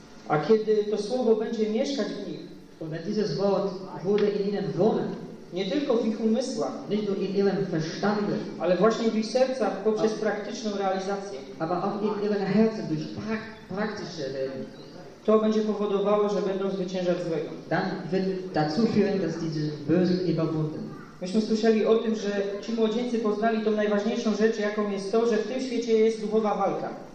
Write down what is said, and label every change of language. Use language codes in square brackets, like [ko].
[pl] A kiedy to słowo będzie mieszkać w nich, [de] und wenn dieses Wort wurde in ihnen wohnen, [pl] nie tylko w ich umysłach, [de] nicht nur in ihrem Verstande, [pl] ale właśnie w ich sercach poprzez praktyczną realizację, [de] aber auch in ihren Herzen durch praktische Leben, [pl] to będzie powodowało, że będą zwyciężać złego. [de] Dann wird dazu führen, dass diese Bösen überwunden. [pl] Myśmy słyszeli o tym, że ci młodzieńcy poznali tą najważniejszą rzecz, jaką jest to, że w tym świecie jest duchowa walka.